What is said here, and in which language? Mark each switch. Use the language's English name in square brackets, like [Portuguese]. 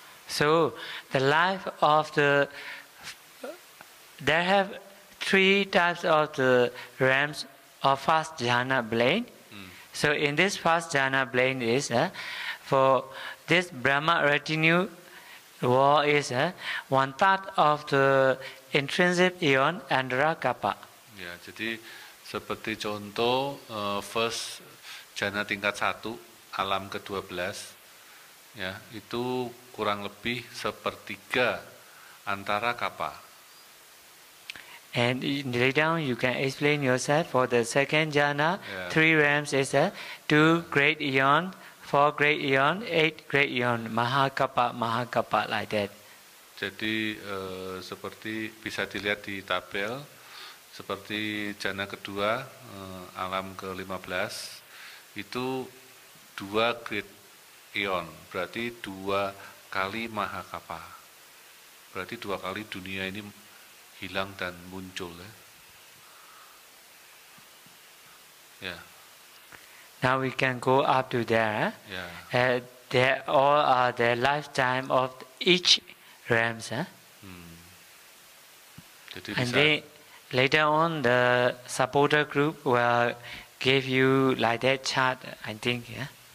[English] So the life of the there have three types of the realms of first jhana plane. So in this first jhana plane is for this Brahma retinue war is one third of the intrinsic aeon Andhrakapa. [Indonesian] Yeah, jadi seperti contoh first jhana tingkat 1 alam ke-12 ya itu kurang lebih sepertiga antara kapa. [English] And later on you can explain yourself for the second jhana three realms is a 2 great aeon, 4 great aeon, 8 great aeon, mahakapa like that. [Indonesian] Jadi seperti bisa dilihat di tabel seperti jhana kedua alam ke-15 itu 2 great aeon berarti 2 kali mahakapa berarti 2 kali dunia ini hilang dan muncul ya. [English] Now we can go up to there. They all are the lifetime of each realms. [Indonesian] Jadi bisa. [English] Later on, the supporter group will give you like that chart, I think, ya.